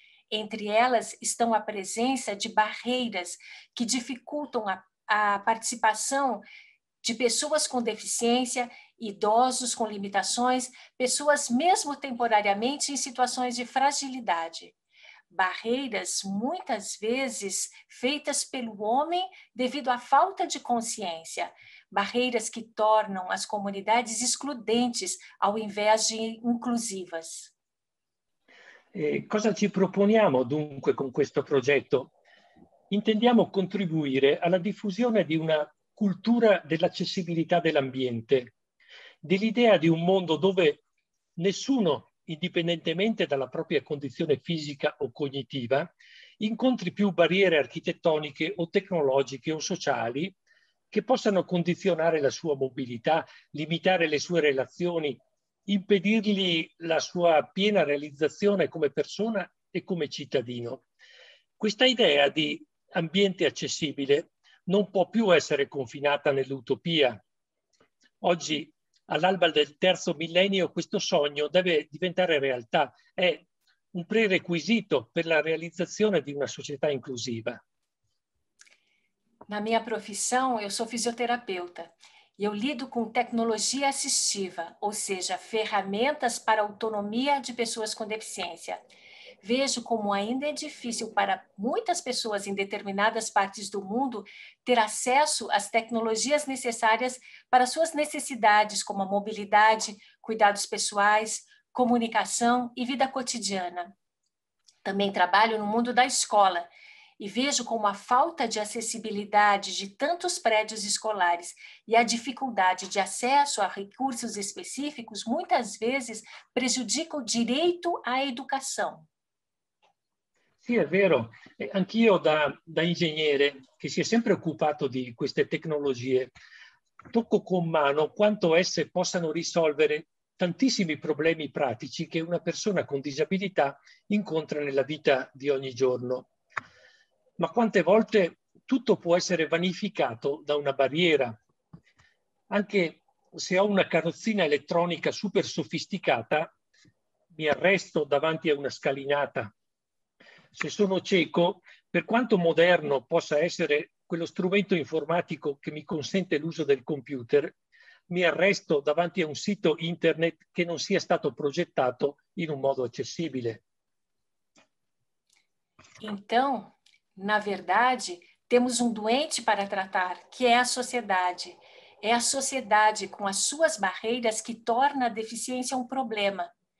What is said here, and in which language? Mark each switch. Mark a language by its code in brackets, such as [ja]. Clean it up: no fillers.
[pt] Entre elas estão a presença de barreiras que dificultam a participação de pessoas com deficiência, idosos com limitações, pessoas mesmo temporariamente em situações de fragilidade. Barreiras muitas vezes feitas pelo homem devido à falta de consciência. Barreiras que tornam as comunidades excludentes ao invés de inclusivas. [it] E cosa ci proponiamo dunque con questo progetto? Intendiamo contribuire alla diffusione di una cultura dell'accessibilità dell'ambiente, dell'idea di un mondo dove nessuno, indipendentemente dalla propria condizione fisica o cognitiva, incontri più barriere architettoniche o tecnologiche o sociali che possano condizionare la sua mobilità, limitare le sue relazioni, impedirgli la sua piena realizzazione come persona e come cittadino. Questa idea di ambiente accessibile non può più essere confinata nell'utopia. Oggi, all'alba del terzo millennio, questo sogno deve diventare realtà. È un prerequisito per la realizzazione di una società inclusiva. Na mia professione, io sono fisioterapeuta. [pt] Eu lido com tecnologia assistiva, ou seja, ferramentas para autonomia de pessoas com deficiência. Vejo como ainda é difícil para muitas pessoas em determinadas partes do mundo ter acesso às tecnologias necessárias para suas necessidades, como a mobilidade, cuidados pessoais, comunicação e vida cotidiana. Também trabalho no mundo da escola, e vejo como a falta de acessibilidade de tantos prédios escolares e a dificuldade de acesso a recursos específicos muitas vezes prejudica o direito à educação. Sim, é [it] vero. Anch'io da ingegnere, che si è sempre occupato di queste tecnologie, tocco con mano quanto esse possano risolvere tantissimi problemi pratici che una persona con disabilità incontra nella vita di ogni giorno. Ma quante volte tutto può essere vanificato da una barriera. Anche se ho una carrozzina elettronica super sofisticata, mi arresto davanti a una scalinata. Se sono cieco, per quanto moderno possa essere quello strumento informatico che mi consente l'uso del computer, mi arresto davanti a un sito internet che non sia stato progettato in un modo accessibile. [pt] Então, na verdade, temos um doente para tratar, que é a sociedade. É a sociedade com as suas barreiras que torna a deficiência um problema.